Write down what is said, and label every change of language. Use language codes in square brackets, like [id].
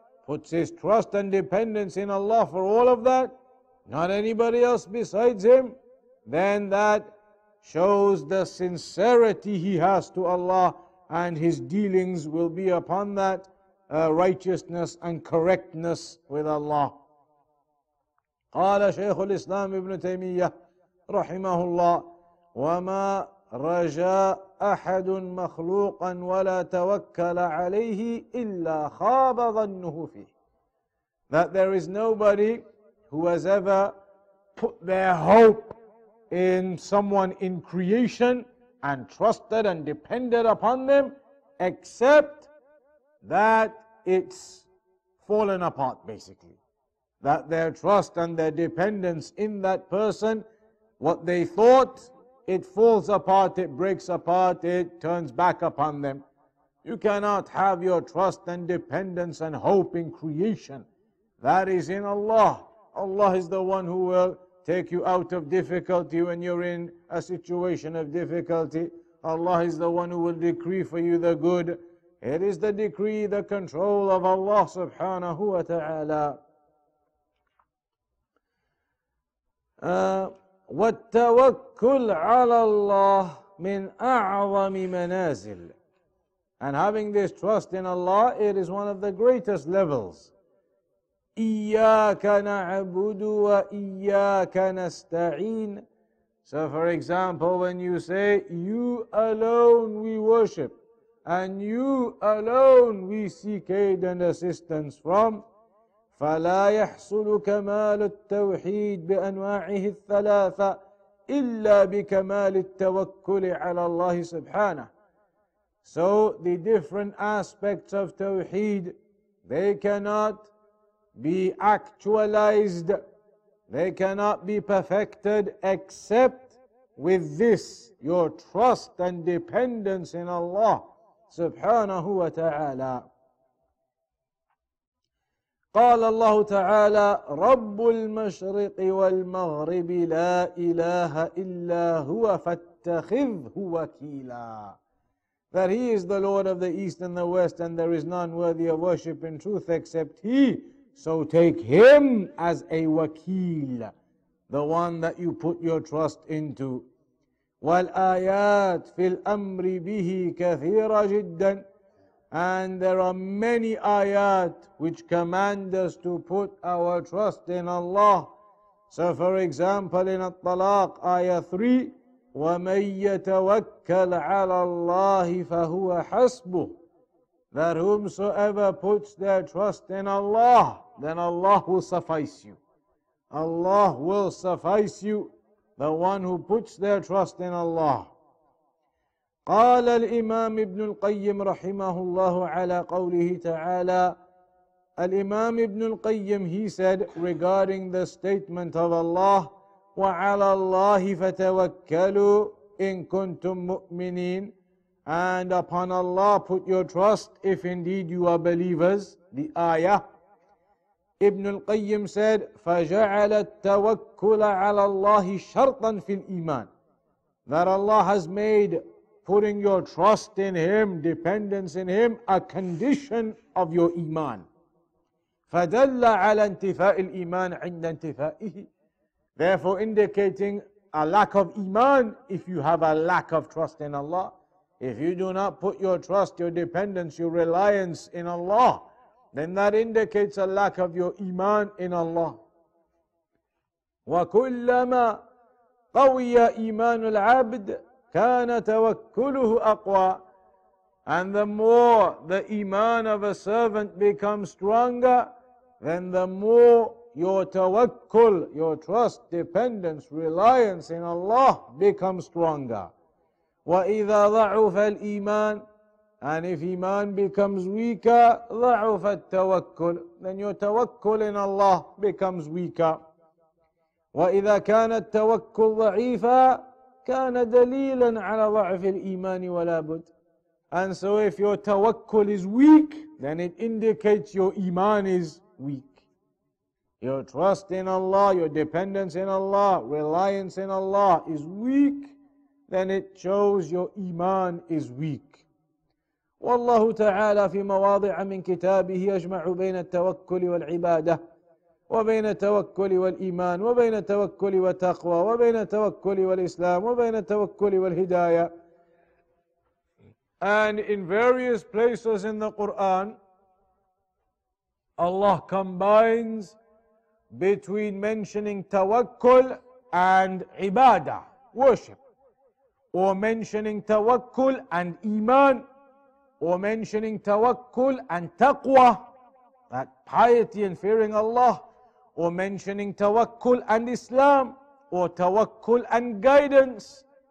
[en] puts his trust and dependence in Allah for all of that, not anybody else besides him, then that shows the sincerity he has to Allah, and his dealings will be upon that righteousness and correctness with Allah. [ar] قال شيخ الإسلام ابن تيمية رحمه الله وما رجا أحد مخلوقا ولا توكل عليه إلا خاب ظنه فيه. [en] That there is nobody who has ever put their hope in someone in creation and trusted and depended upon them except that it's fallen apart, basically. That their trust and their dependence in that person, what they thought, it falls apart, it breaks apart, it turns back upon them. You cannot have your trust and dependence and hope in creation. That is in Allah. Allah is the one who will take you out of difficulty when you're in a situation of difficulty. Allah is the one who will decree for you the good. It is the decree, the control of Allah subhanahu wa ta'ala. [ar] والتوكل على الله من أعظم منازل. [en] And having this trust in Allah, it is one of the greatest levels. [ar] إياك نعبد وإياك نستعين. [en] So for example, when you say, you alone we worship, and you alone we seek aid and assistance from, [ar] فلا يحصل كمال التوحيد بأنواعه الثلاثة إلا بكمال التوكل على الله سبحانه. [en] So the different aspects of Tawheed, they cannot be actualized, they cannot be perfected except with this, your trust and dependence in Allah [ar] سبحانه وتعالى. قال الله تعالى رب المشرق والمغرب لا إله إلا هو فاتخذه وكيلا. [en] That he is the Lord of the East and the West, and there is none worthy of worship in truth except he. So take him as a wakil, the one that you put your trust into. [ar] والآيات في الأمر به كثيرة جدا. [en] And there are many ayat which command us to put our trust in Allah. So for example, in At-Talaq, ayah 3, [ar] وَمَنْ يَتَوَكَّلْ عَلَى اللَّهِ فَهُوَ حَسْبُهُ. [en] That whomsoever puts their trust in Allah, then Allah will suffice you. Allah will suffice you, the one who puts their trust in Allah. [ar] قال الإمام ابن القيم رحمه الله على قوله تعالى. الإمام ابن القيم, [en] he said regarding the statement of Allah, [ar] وعلى الله فتوكلوا إن كنتم مؤمنين. [en] And upon Allah put your trust if indeed you are believers. The ayah. [ar] ابن القيم [en] said [ar] فجعل التوكل على الله شرطا في الإيمان. [en] That Allah has made putting your trust in him, dependence in him, a condition of your iman. [ar] فَدَلَّ عَلَى انْتِفَاءِ الْإِيمَانِ عِنْدَ انْتِفَائِهِ. [en] Therefore indicating a lack of iman if you have a lack of trust in Allah. If you do not put your trust, your dependence, your reliance in Allah, then that indicates a lack of your iman in Allah. [ar] وَكُلَّمَا قَوِيَ إِيمَانُ الْعَبْدِ كان توكله أقوى. [en] And the more the iman of a servant becomes stronger, then the more your tawakkul, your trust, dependence, reliance in Allah becomes stronger. [ar] وإذا ضعف الإيمان, [en] and if iman becomes weaker, [ar] ضعف التوكل, [en] then your tawakkul in Allah becomes weaker. [ar] وإذا كان التوكل ضعيفا كان دليلا على ضعف الإيمان ولا بد. [en] And so if your tawakkul is weak, then it indicates your iman is weak. Your trust in Allah, your dependence in Allah, reliance in Allah is weak, then it shows your iman is weak. [ar] والله تعالى في مواضع من كتابه يجمع بين التوكل والعبادة، وبين التوكل والإيمان، وبين التوكل والتقوى، وبين التوكل والإسلام، وبين التوكل والهداية. [en] And in various places in the Quran, Allah combines between mentioning tawakkul and ibadah, worship, or mentioning tawakkul and iman, or mentioning tawakkul and taqwa, that piety and fearing Allah, or mentioning tawakkul and Islam, or tawakkul and guidance.